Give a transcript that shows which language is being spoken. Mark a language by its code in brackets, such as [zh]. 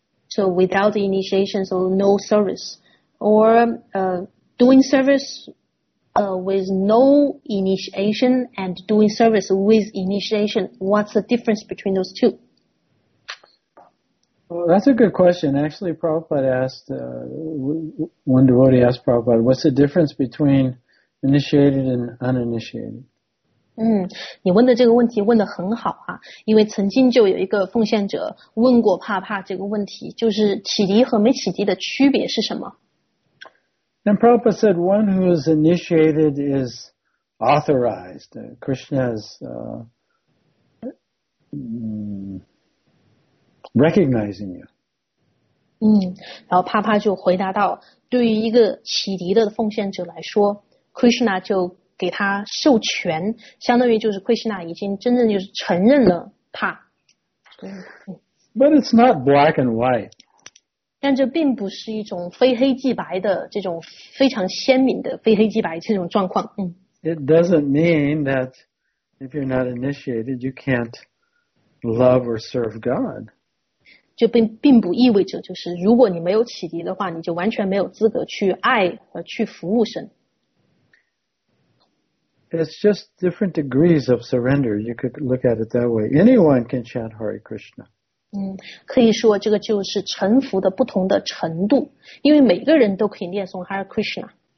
[en] So without initiation, so no service. Or, doing service, with no initiation and doing service with initiation, what's the difference between those two? Well, that's a good question. Actually, Prabhupada asked, one devotee asked Prabhupada, what's the difference between initiated and uninitiated? [zh] 你问的这个问题问得很好啊，因为曾经就有一个奉献者问过帕帕这个问题，就是启迪和没启迪的区别是什么？ [en] And Prabhupada said, one who is initiated is authorized. Krishna has, recognizing you. [zh] 然后帕帕就回答到，对于一个启迪的奉献者来说， Krishna 就给他授权，相当于就是 Krishna 已经真正就是承认了帕。 [en] But it's not black and white. [zh] 但这并不是一种非黑即白的这种非常鲜明的非黑即白这种状况。 [en] It doesn't mean that if you're not initiated, you can't love or serve God. [zh] 就并不意味着就是如果你没有启迪的话你就完全没有资格去爱和去服务神。 [en] It's just different degrees of surrender. You could look at it that way. Anyone can chant Hare Krishna. [zh] 可以说这个就是臣服的不同的程度，因为每个人都可以念诵 Hare Krishna.